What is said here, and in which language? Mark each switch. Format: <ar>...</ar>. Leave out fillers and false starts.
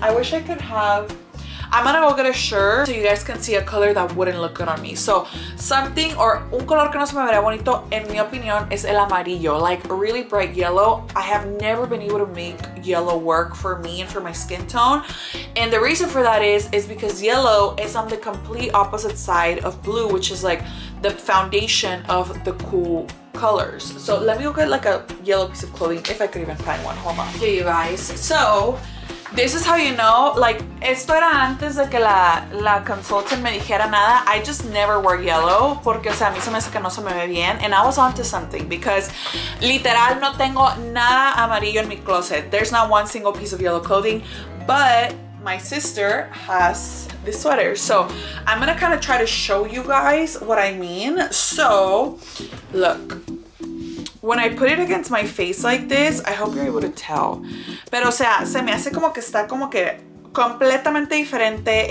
<en>I wish I could have, I'm gonna go get a shirt so you guys can see a color that wouldn't look good on me. So something or</en> <es>un color que no se me vería bonito, en mi opinión, es el amarillo.</es> <en>Like really bright yellow. I have never been able to make yellow work for me and for my skin tone. And the reason for that is because yellow is on the complete opposite side of blue, which is like the foundation of the cool colors. So let me go get like a yellow piece of clothing if I could even find one. Hold on. Okay, you guys. So this is how you know, like,</en> <es>esto era antes de que la consultant me dijera nada.</es> <en>I just never wore yellow</en> <es>porque, o sea, a mí se me hace que no se me ve bien.</es> <en>And I was onto something because</en> <es>literal no tengo nada amarillo en mi closet.</es> <en>There's not one single piece of yellow clothing, but my sister has this sweater. So I'm gonna kind of try to show you guys what I mean. So look. When I put it against my face like this, I hope you're able to tell.</en> <es>Pero, o sea, se me hace como que está como que completamente diferente.</es>